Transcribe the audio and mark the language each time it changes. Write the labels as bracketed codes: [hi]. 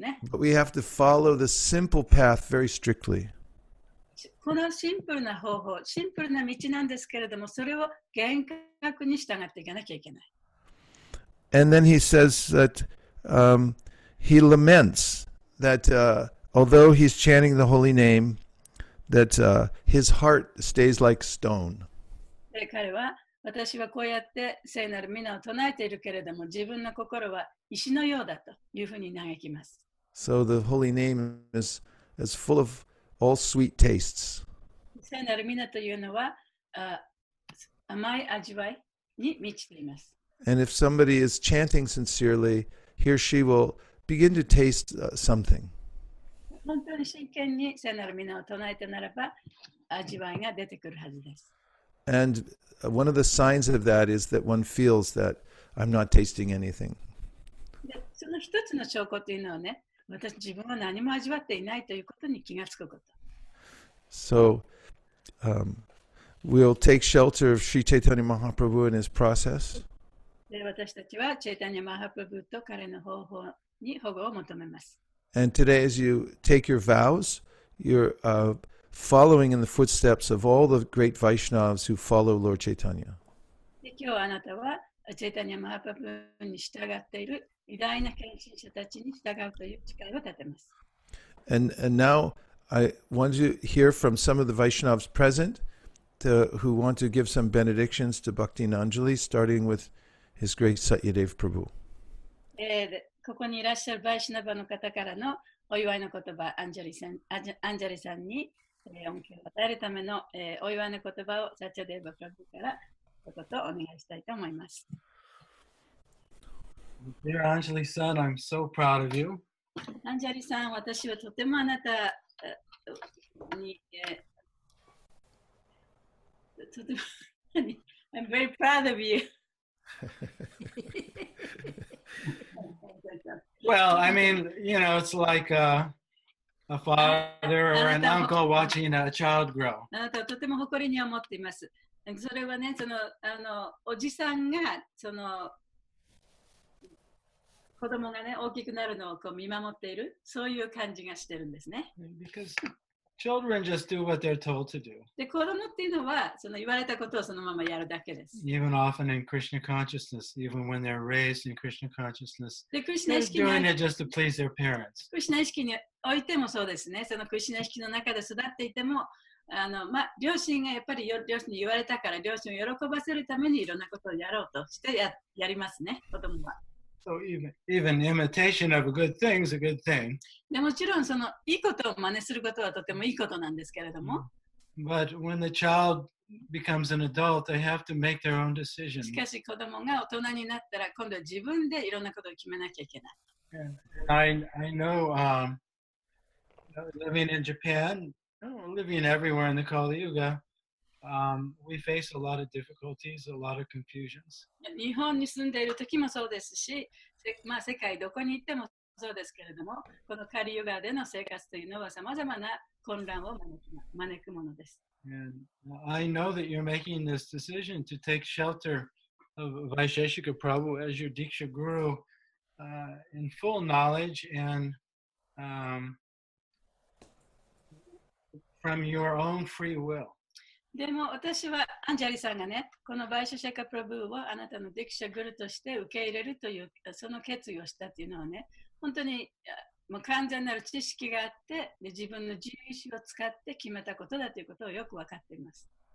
[en] But we have to follow the simple path very strictly. [ja] このシンプルな方法、シンプルな道なんですけれども、それを厳格に従っていかなきゃいけない。 [en] And then he says that he laments that although he's chanting the holy name, that his heart stays like stone. [ja] で、彼は私はこうやって聖なる皆を唱えているけれども、自分の心は石のようだというふうに嘆きます。 [en] So the holy name is full of all sweet tastes. [ja] 聖なる皆というのは、甘い味わいに満ちています。 [en] And if somebody is chanting sincerely, he or she will begin to taste something. [ja] 本当に真剣に聖なる皆を唱えてならば、味わいが出てくるはずです。 [en] And one of the signs of that is that one feels that I'm not tasting anything. [ja] その一つの証拠というのはね、私自分は何も味わっていないということに気がつくこと。 [en] So, we'll take shelter of Sri Chaitanya Mahaprabhu and his process. [ja] で、私たちはチェイタニャ・マハプラブーと彼の方法に保護を求めます。 [en] And today as you take your vows, you're, following in the footsteps of all the great Vaishnavas who follow Lord Chaitanya. [ja] で、今日あなたはチェイタニャ・マハプラブーに従っている偉大な献身者たちに従うという誓いを立てます。 [en] And now I want to hear from some of the Vaishnavas present to, who want to give some benedictions to Bhakti Nanjali, starting with his great Satyadev Prabhu. [ja] ここにいらっしゃるバイシナバの方からのお祝いの言葉、アンジャリさんに恩恵を与えるための、お祝いの言葉をサチャデーバプラブからおことをお願いしたいと思います。 [en] Dear Anjali San, I'm so proud of you. [ja] Anjali San, 私はとてもあなたに、とても [en] I'm very proud of you. Well, I mean, you know, it's like a father or an uncle watching a child grow. [ja] あなたはとても誇りに思っています。それはね、その、あの、おじさんが、その、子供がね、大きくなるのをこう見守っている、そういう感じがしてるんですね。 [en] Because children just do what they're told to do. [ja] で、子供っていうのは、その言われたことをそのままやるだけです。 [en] Even often in Krishna consciousness, even when they're raised in Krishna consciousness, [ja] で、クリシュナ意識に、 [en] they're doing it just to please their parents. [ja] クリシュナ意識においてもそうですね。そのクリシュナ意識の中で育っていても、あの、まあ、両親がやっぱり両親に言われたから、両親を喜ばせるためにいろんなことをやろうとして やりますね、子供は。 [en] So even imitation of a good thing is a good thing. [ja] でもちろんそのいいことを真似することはとてもいいことなんですけれども。 [en] But when the child becomes an adult, they have to make their own decisions. [ja] しかし子供が大人になったら今度は自分でいろんなことを決めなきゃいけない。 [en] I know living in Japan, living everywhere in the Kali Yuga, we face a lot of difficulties, a lot of confusions. [ja] 日本に住んでいる時もそうですし、まあ、世界どこに行ってもそうですけれども、このカリユガでの生活というのはさまざまな混乱を招くものです。 [en] And I know that you're making this decision to take shelter of Vaisheshika Prabhu as your Diksha Guru in full knowledge and from your own free will. [ja] でも私はアンジャリさんがね、このバイシャシャカプラブーをあなたのディクシャグルとして受け入れるという、その決意をしたというのはね、本当にもう完全なる知識があって、で自分の自由意志を使って決めたことだということをよく分かっています。